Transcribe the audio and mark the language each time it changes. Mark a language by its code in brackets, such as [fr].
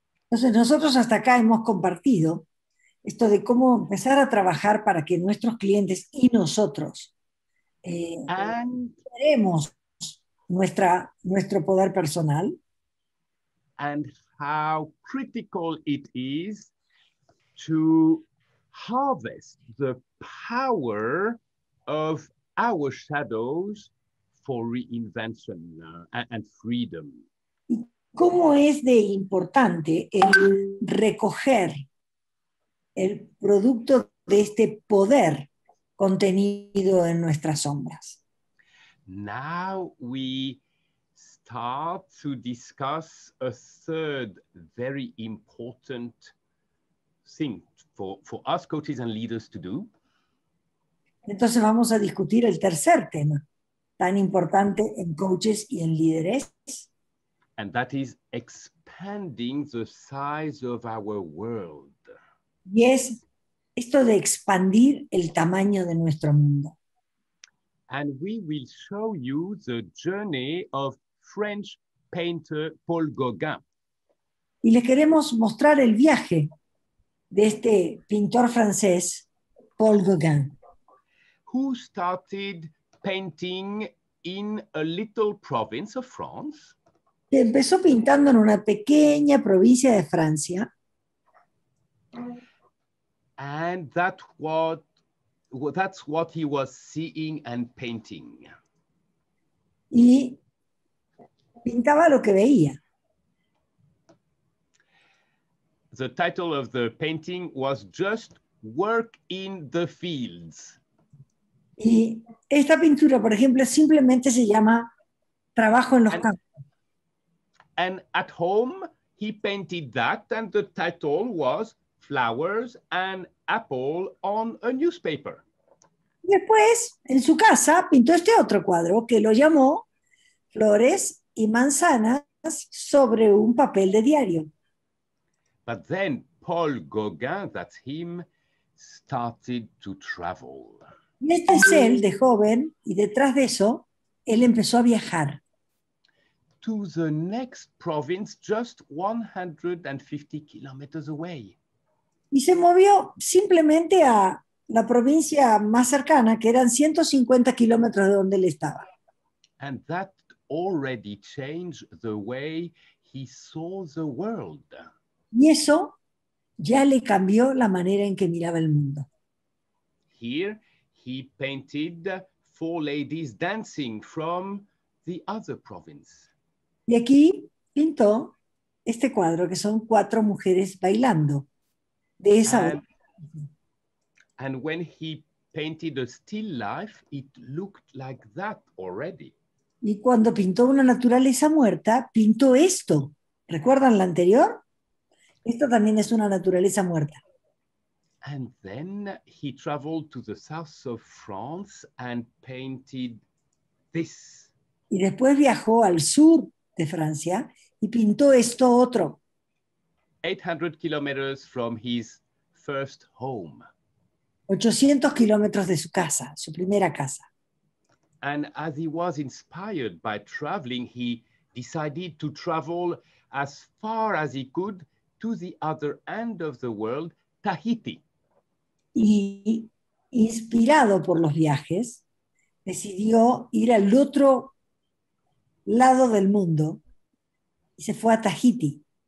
[es] Entonces nosotros hasta acá hemos compartido esto de cómo empezar a trabajar para que nuestros clientes y nosotros creemos nuestro poder personal. [en] And how critical it is to harvest the power of our shadows for reinvention and freedom. [es] ¿Cómo es de importante el recoger el producto de este poder contenido en nuestras sombras? [en] Now we start to discuss a third very important thing for us coaches and leaders to do. [es] Entonces vamos a discutir el tercer tema tan importante en coaches y en líderes. [en] And that is expanding the size of our world. [es] Y es esto de expandir el tamaño de nuestro mundo. [en] and we will show you the journey of French painter Paul Gauguin. [es] Y les queremos mostrar el viaje de este pintor francés, Paul Gauguin. [en] Who started painting in a little province of France. [es] Que empezó pintando en una pequeña provincia de Francia. [en] And that's what he was seeing and painting. [es] Y pintaba lo que veía. [en] The title of the painting was just Work in the Fields. [es] Y esta pintura, por ejemplo, simplemente se llama Trabajo en los campos. [en] And at home, he painted that, and the title was Flowers and Apple on a Newspaper. [es] Después, en su casa, pintó este otro cuadro que lo llamó Flores y Manzanas sobre un papel de diario. [en] But then Paul Gauguin, that's him, started to travel. [es] Este es él de joven y detrás de eso, él empezó a viajar. [en] To the next province, just 150 kilometers away. [es] Y se movió simplemente a la provincia más cercana, que eran 150 kilómetros de donde él estaba. [en] And that already changed the way he saw the world. [es] Y eso ya le cambió la manera en que miraba el mundo. [en] Here he painted four ladies dancing from the other province. [es] Y aquí pintó este cuadro que son cuatro mujeres bailando de esa otra. [en] And when he painted a still life, it looked like that already. [es] Y cuando pintó una naturaleza muerta, pintó esto. ¿Recuerdan la anterior? Esto también es una naturaleza muerta. [en] And then he traveled to the south of France and painted this. [es] Y después viajó al sur de Francia y pintó esto otro. [en] 800 kilometers from his first home. [es] 800 kilómetros de su casa, su primera casa. [en] And as he was inspired by traveling, he decided to travel as far as he could to the other end of the world, Tahiti. [es] Y inspirado por los viajes, decidió ir al otro lado del mundo y se fue a Tahiti.